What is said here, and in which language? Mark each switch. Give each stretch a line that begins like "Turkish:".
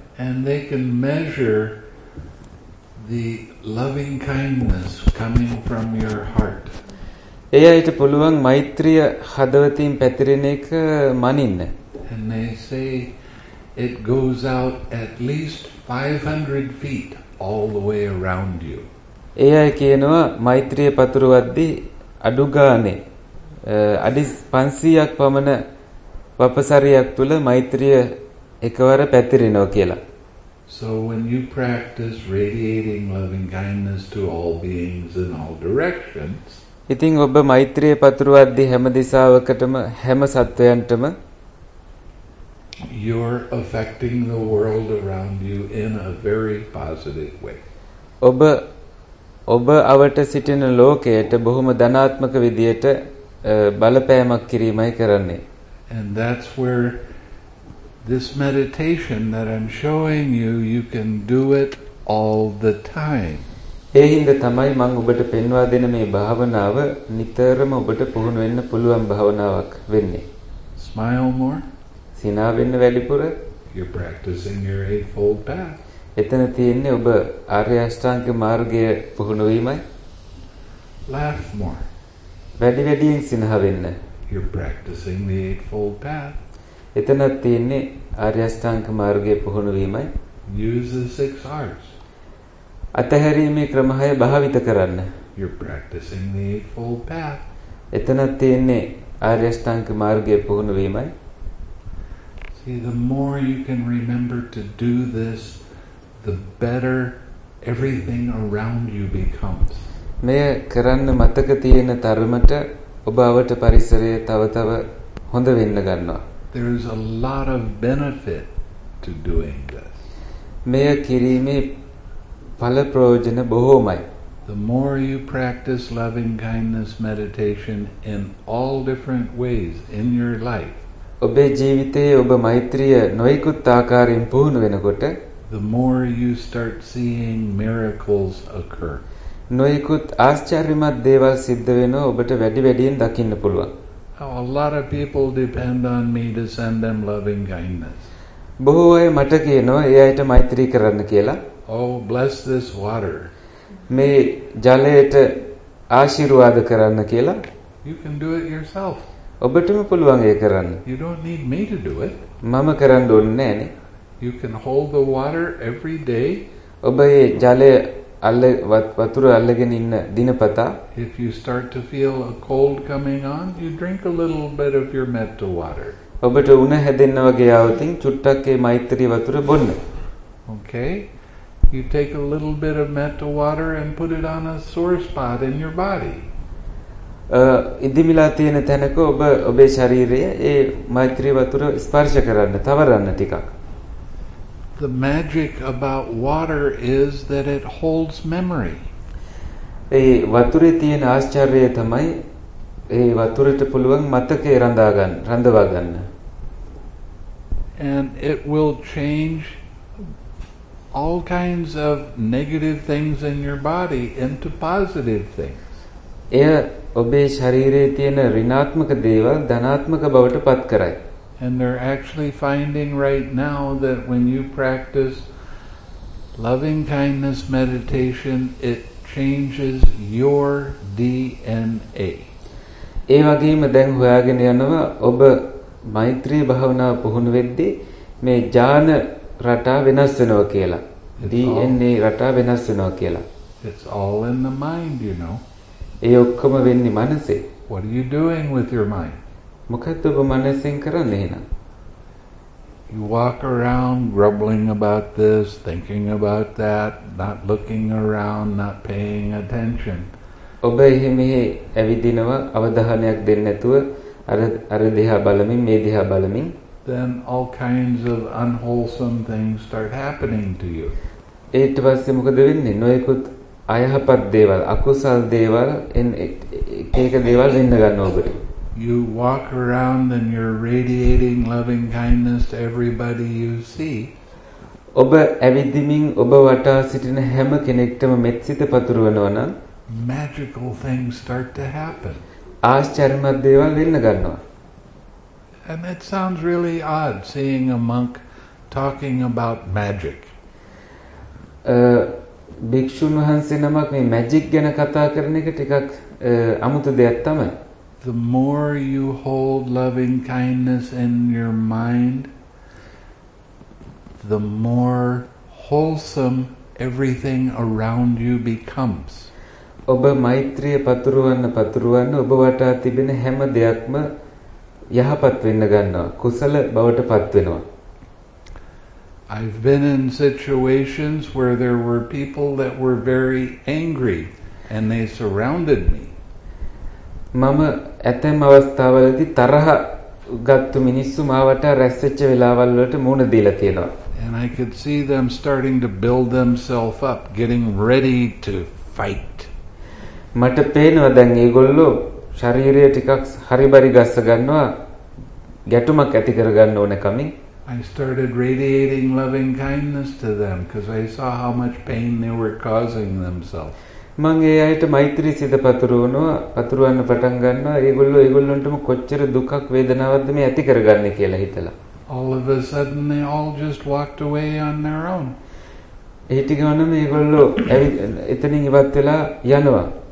English: and they can measure the loving kindness coming from your heart
Sinhala: එයයිට පුළුවන් මෛත්‍රිය හදවතින් පැතිරෙන එක මනින්න
English: and they say it goes out at least 500 feet all the way around you
Sinhala: එයයි කියනවා මෛත්‍රිය පතුරවද්දී අඩු ගානේ අඩි 500ක් පමණ වපසරියක් තුල මෛත්‍රිය එකවර පැතිරෙනවා කියලා
English: So when you practice radiating loving kindness to all beings in all directions,
Sinhala: ඉතින් ඔබ මෛත්‍රිය පතුරවද්දී හැම දිසාවකටම හැම සත්වයන්ටම
English: you're affecting the world around you in a very positive way.
Sinhala: ඔබ අවට සිටින ලෝකයට බොහොම ධනාත්මක විදියට බලපෑමක් කිරීමයි කරන්නේ.
English: And that's where This meditation that I'm showing you, you can do it all the time.
Sinhala: ඒහිඳ තමයි මම ඔබට පෙන්වා දෙන මේ භාවනාව නිතරම ඔබට පුහුණු වෙන්න පුළුවන් භාවනාවක් වෙන්නේ.
English: Smile more.
Sinhala: සිනාවෙන්න වැඩිපුර.
English: You're practicing your eightfold path.
Sinhala: එතන තියෙන්නේ ඔබ ආර්ය අෂ්ටාංග මාර්ගය පුහුණු වීමයි.
English: Laugh more.
Sinhala: වැඩි වැඩියෙන් සිනහවෙන්න.
English: You're practicing the eightfold path.
Sinhala: එතන තියෙන්නේ ආර්ය අෂ්ටාංග මාර්ගයේ පුහුණු වීමයි.
English: Use the six arts.
Sinhala: අතහැරීමේ ක්‍රම 6 භාවිත කරන්න.
English: You're practicing the eightfold path.
Sinhala: එතන තියෙන්නේ ආර්ය අෂ්ටාංග මාර්ගයේ පුහුණු වීමයි.
English: See, the more you can remember to do this, the better everything around you becomes.
Sinhala: මේ කරන්න මතක තියෙන තරමට ඔබවට පරිසරය තව තව හොඳ වෙන්න ගන්නවා.
English: There is a lot of benefit to doing this.
Sinhala: මෙය කිරීමේ ඵල ප්‍රයෝජන බොහෝමයි.
English: The more you practice loving kindness meditation in all different ways in your life.
Sinhala: ඔබේ ජීවිතයේ ඔබ මෛත්‍රිය නොයෙකුත් ආකාරයෙන් පුහුණු වෙනකොට
English: the more you start seeing miracles occur.
Sinhala: නොයෙකුත් ආශ්චර්යමත් දේවල් සිද්ධ වෙනවා ඔබට වැඩි වැඩියෙන් දකින්න පුළුවන්.
English: A lot of people depend on me to send them loving kindness.
Sinhala: බොහෝ අය මට කියනවා ඒ අයට මෛත්‍රී කරන්න කියලා.
English: Oh, bless this water.
Sinhala: මේ ජලයට ආශිර්වාද කරන්න කියලා.
English: You can do it yourself.
Sinhala: ඔබටම පුළුවන් ඒ කරන්න.
English: You don't need me to do it.
Sinhala: මම කරන්න ඕනේ නැහනේ.
English: You can hold the water every day.
Sinhala: ඔබ ඒ ජලය වතුර අල්ලගෙන ඉන්න දිනපතා
English: if you start to feel a cold coming on you drink a little bit of your metta water
Sinhala: ඔබට උණ හැදෙන්න වගේ આવතින් චුට්ටක් ඒ මෛත්‍රී වතුර බොන්න
English: okay you take a little bit of metta water and put it on a sore spot in your body
Sinhala: ඉදිමිලා තියෙන තැනක ඔබේ ශරීරයේ ඒ මෛත්‍රී වතුර ස්පර්ශ කරන්න තවරන්න ටිකක්
English: The magic about water is that it holds memory.
Sinhala: ඒ වතුරේ තියෙන ආශ්චර්යය තමයි ඒ වතුරට පුළුවන් මතකේ රඳවා ගන්න.
English: And it will change all kinds of negative things in your body into positive things.
Sinhala: එය ඔබේ ශරීරයේ තියෙන ඍණාත්මක දේවල් ධනාත්මක බවට පත් කරයි.
English: And they're actually finding right now that when you practice loving kindness meditation it changes your DNA.
Sinhala: ඒ වගේම දැන් හොයාගෙන යනවා ඔබ මෛත්‍රී භාවනාව පුහුණු වෙද්දී මේ ජාන රටා වෙනස් වෙනවා කියලා. DNA රටා වෙනස් වෙනවා කියලා.
English: It's all in the mind, you know.
Sinhala: ඒ ඔක්කොම වෙන්නේ මනසේ.
English: What are you doing with your mind?
Sinhala: මොකද ඔබ මනසින් කරන්නේ එහෙනම්
English: you walk around grumbling about this, thinking about that, not looking around, not paying attention.
Sinhala: ඔබ මෙහි ඇවිදිනව අවධානයක් දෙන්නේ නැතුව අර දිහා බලමින් මේ දිහා බලමින්
English: then all kinds of unwholesome things start happening to you.
Sinhala: ඊට පස්සේ මොකද වෙන්නේ? නොයෙකුත් අයහපත් දේවල්, අකුසල් දේවල් එක එක දේවල් වෙන්න ගන්නවා ඔබට.
English: You walk around and you're radiating loving kindness to everybody you see.
Sinhala: ඔබ ඇවිදින්මින් ඔබ වටා සිටින හැම කෙනෙක්ටම මෙත්සිත පතුරවනවා නම්
English: magical things start to happen.
Sinhala: ආශ්චර්යමත් දේවල් වෙන්න ගන්නවා.
English: And that sounds really odd, seeing a monk talking about magic.
Sinhala: භික්ෂුන් වහන්සේ නමක් මේ මැජික් ගැන කතා කරන එක ටිකක් අමුතු දෙයක් තමයි.
English: The more you hold loving kindness in your mind, the more wholesome everything around you becomes.
Sinhala: ඔබ මෛත්‍රිය පතුරවන්න පතුරවන්න ඔබ වටා තිබෙන හැම දෙයක්ම යහපත් වෙන්න ගන්නවා කුසල බවටපත් වෙනවා.
English: I've been in situations where there were people that were very angry and they surrounded me.
Sinhala: මම ඇතැම් අවස්ථාවලදී තරහ ගත්තු මිනිස්සු මා වටා රැස්වෙච්ච වෙලාවල් වලට මුහුණ දීලා තියෙනවා.
English: And I could see them starting to build themselves up, getting ready to fight.
Sinhala: මට පේනවා දැන් ඒගොල්ලෝ ශරීරය ටිකක් හරිබරි ගස්ස ගන්නවා ගැටුමක් ඇති කර ගන්න ඕන කමින්
English: I started radiating loving kindness to them because I saw how much pain they were causing themselves.
Sinhala: මං ඒ අයට මෛත්‍රී සිත පතුරවන්න පටන් ගන්නවා ඒගොල්ලෝ ඒගොල්ලන්ටම කොච්චර දුකක් වේදනාවක්ද මේ ඇති කරගන්නේ කියලා හිතලා.
English: All of a sudden they all just walked away on their own.
Sinhala: ඒටි ගන්නම ඒගොල්ලෝ එතනින් ඉවත් වෙලා යනවා.